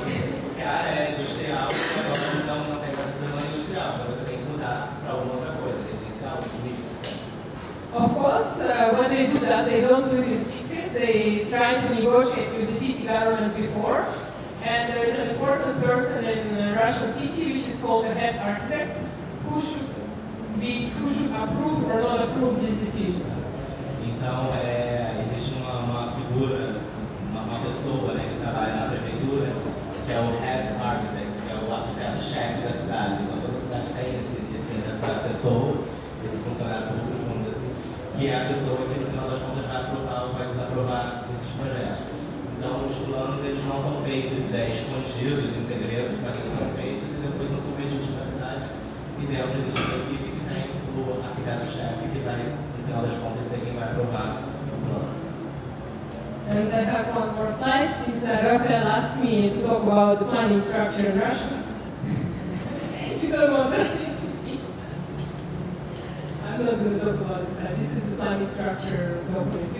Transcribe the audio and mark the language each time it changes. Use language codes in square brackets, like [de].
[pt] Porque a área industrial, então não tem mais problema industrial, mas você tem que mudar para alguma outra coisa, residencial, administração. [en] Of course, when they do that, they don't do it in secret. They try to negotiate with the city government before. And there is an important person in Russian city, which is called the head architect, who should approve or not approve this decision. [pt] Então, existe uma figura. Pessoa, né, que trabalha na prefeitura, que é o head architect, que é o arquiteto-chefe da cidade. Então, toda a cidade tem essa pessoa, esse funcionário público, vamos dizer assim, que é a pessoa que, no final das contas, vai aprovar ou vai desaprovar esses projetos. Então, os planos, eles não são feitos escondidos, em segredo, mas eles são feitos e depois são submetidos para a cidade. E dentro existe uma equipe que tem o arquiteto-chefe que vai, no final das contas, ser quem vai aprovar o plano. [en] And I have one more slide, since Rafael asked me to talk about the planning structure in Russia. You don't want to see. I'm not going to talk about this slide. This is the planning structure documents.